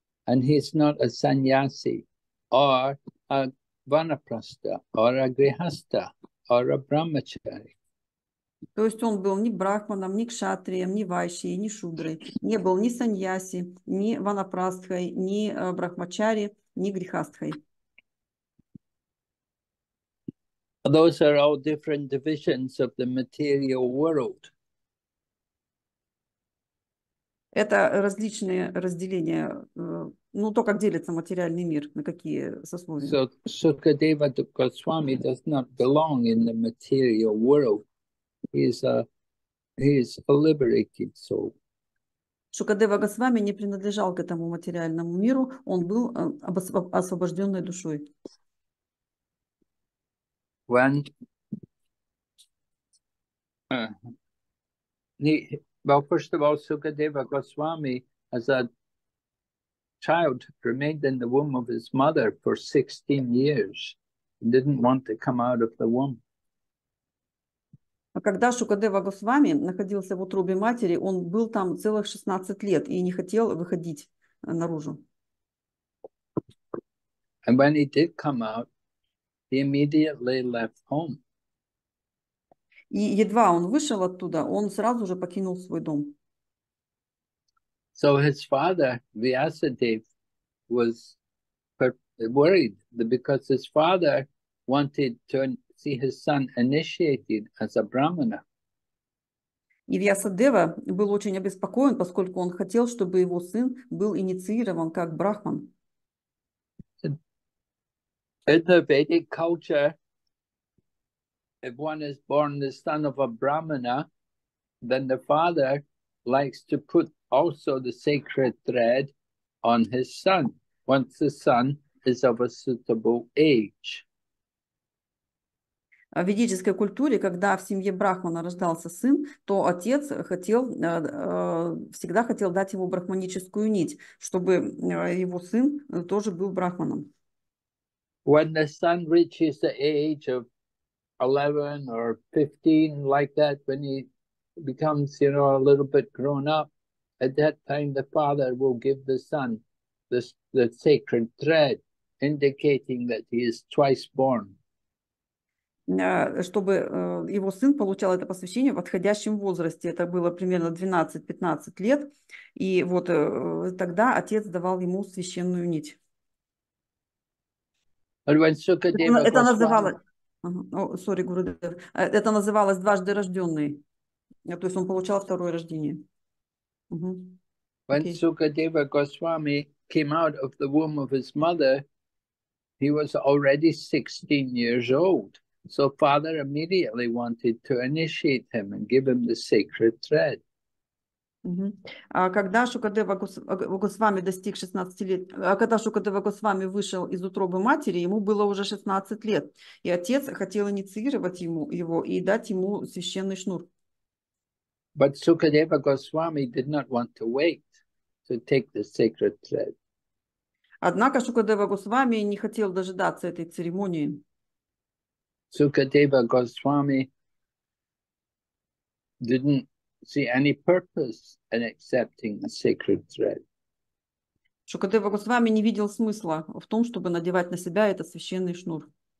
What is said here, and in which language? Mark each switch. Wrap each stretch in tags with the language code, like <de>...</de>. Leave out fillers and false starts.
<en>And he is not a sannyasi or a vanaprastha or a grihastha or a brahmachari.</en> <ru>То есть он был ни брахманом, ни кшатрием, ни вайшей, ни шудрой, не был ни саньяси, ни ванапрастхой, ни брахмачари, ни грихастхой.</ru> <en>Those are all different divisions of the material world.</en> <ru>Это различные разделения, ну то, как делится материальный мир, на какие сословия.</ru> <en>So Sukadeva Goswami does not belong in the material world. He is a liberated soul.</en> <ru>Шукадева Госвами не принадлежал к этому материальному миру, он был освобожденной душой.</ru> <en>First of all, Sukadeva Goswami as a child remained in the womb of his mother for 16 years and didn't want to come out of the womb.</en> <ru>когда Шукадева Госвами находился в утробе матери, он был там целых 16 лет и не хотел выходить наружу.</ru> <en>And when he did come out, he immediately left home.</en> <ru>И едва он вышел оттуда, он сразу же покинул свой дом.</ru> <en>So his father, Vyasadev, was worried because his father wanted to see his son initiated as a brahmana.</en> <ru>И Вьясадева был очень обеспокоен, поскольку он хотел, чтобы его сын был инициирован как брахман.</ru> <en>In the Vedic culture, if one is born the son of a brahmana, then the father likes to put also the sacred thread on his son, once the son is of a suitable age.</en> <ru>В ведической культуре, когда в семье брахмана рождался сын, то отец хотел, всегда хотел дать ему брахманическую нить, чтобы его сын тоже был брахманом.</ru> <en>When the son reaches the age of 11 or 15, like that, when he becomes, you know, a little bit grown up, at that time the father will give the son the sacred thread, indicating that he is twice born.</en> <ru>Чтобы его сын получал это посвящение в подходящем возрасте. Это было примерно 12-15 лет. И вот тогда отец давал ему священную нить.</ru> <en>But when Sukadeva</en> <ru>Это</ru> <en>Goswami...</en> <ru>называлось...</ru> <en>Sorry,</en> <ru>Гурудев. Это называлось дважды рожденный. То есть он получал второе рождение.</ru> <en>When Sukadeva Goswami came out of the womb of his mother, he was already 16 years old. So father immediately wanted to initiate him and give him the sacred thread.</en> <ru>Когда Шукадева Госвами достиг 16 лет, когда Шукадева Госвами вышел из утробы матери, ему было уже 16 лет, и отец хотел инициировать ему его и дать ему священный шнур.</ru> <en>But Sukadeva Goswami did not want to wait to take the sacred thread.</en> <ru>Однако Шукадева Госвами не хотел дожидаться этой церемонии.</ru> <en>Sukadeva Goswami didn't see any purpose in accepting a sacred thread.</en> <ru>Шукадева Госвами не видел смысла в том, чтобы надевать на себя этот священный шнур.</ru>